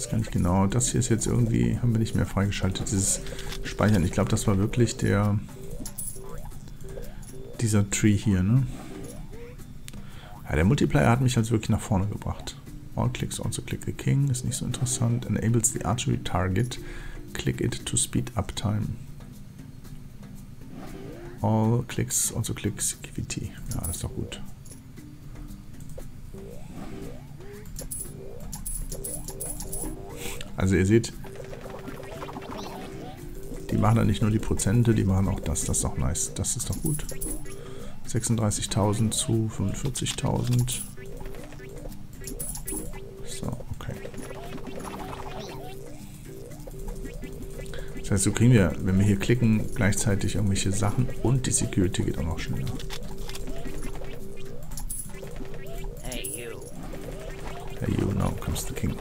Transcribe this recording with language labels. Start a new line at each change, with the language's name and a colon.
German: Genau, das hier ist jetzt irgendwie, haben wir nicht mehr freigeschaltet, dieses Speichern. Ich glaube, das war wirklich der, dieser Tree hier, ne? Ja, der Multiplayer hat mich also wirklich nach vorne gebracht.
English: All clicks also click the king,
German: ist nicht so interessant.
English: Enables the archery target, click it to speed up time. All clicks also click security,
German: ja, das ist doch gut. Also ihr seht, die machen dann nicht nur die Prozente, die machen auch das. Das ist doch nice. Das ist doch gut. 36.000 zu 45.000. So, okay. Das heißt, so kriegen wir, wenn wir hier klicken, gleichzeitig irgendwelche Sachen und die Security geht auch noch schneller.
English: Hey, you, now comes the king.